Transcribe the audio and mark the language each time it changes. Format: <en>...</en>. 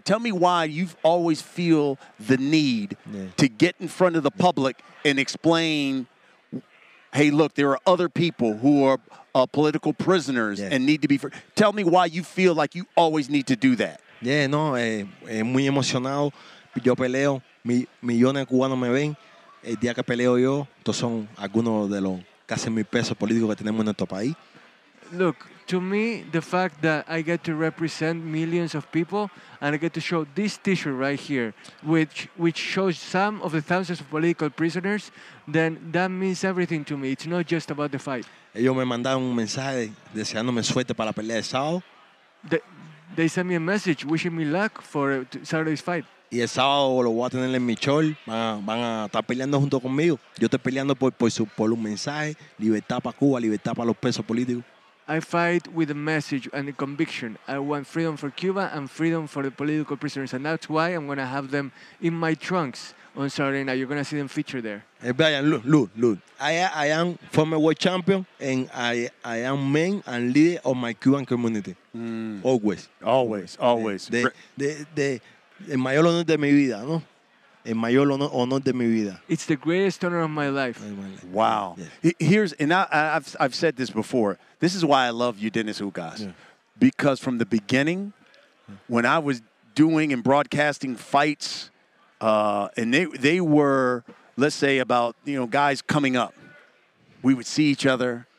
<en>Tell me why you've always feel the need to get in front of the public and explain, hey, look, there are other people who are political prisoners and need to be free. Tell me why you feel like you always need to do that.</en> <es>Yeah, no, muy emocionado. Yo peleo, millones de cubanos me ven. El día que peleo yo, estos son algunos de los casi 1,000 pesos políticos que tenemos en nuestro país.</es> <en>Look, to me, the fact that I get to represent millions of people and I get to show this T-shirt right here, which shows some of the thousands of political prisoners, then that means everything to me. It's not just about the fight.</en> <es>Ellos me mandaron un mensaje deseándome suerte para la pelea de sábado.</es> <en>They sent me a message wishing me luck for Saturday's fight.</en> <es>Y el sábado lo voy a tener en mi chol. Van a estar peleando junto conmigo. Yo estoy peleando por un mensaje. Libertad para Cuba, libertad para los presos políticos.</es> <en>I fight with a message and a conviction. I want freedom for Cuba and freedom for the political prisoners. And that's why I'm going to have them in my trunks on Saturday night. You're going to see them feature there. Hey, Brian, look. I am former world champion, and I am main and leader of my Cuban community. Mm. Always.</en> <es>The mayor honor de mi vida, ¿no? El mayor honor de mi vida.</es> <en>It's the greatest honor of my life. Wow. Yes. I've said this before. This is why I love Yordenis Ugas. Yeah. Because from the beginning, when I was doing and broadcasting fights, and they were, let's say, about, you know, guys coming up, we would see each other.</en>